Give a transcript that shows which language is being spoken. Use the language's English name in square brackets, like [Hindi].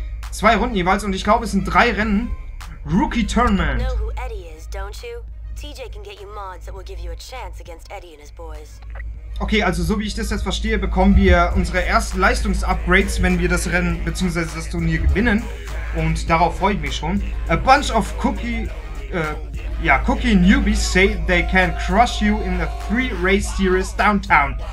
[German] Zwei Runden jeweils und ich glaube, es sind drei Rennen. [English] Rookie Tournament. You know who Eddie is, don't you? TJ can get you mods that will give you a chance against Eddie and his boys. [German] Okay, also so wie ich das jetzt verstehe, bekommen wir unsere ersten Leistungsupgrades, wenn wir das Rennen bzw. das Turnier gewinnen. Und darauf freue ich mich schon. [English] A bunch of cookie newbies say they can crush you in a free race series downtown.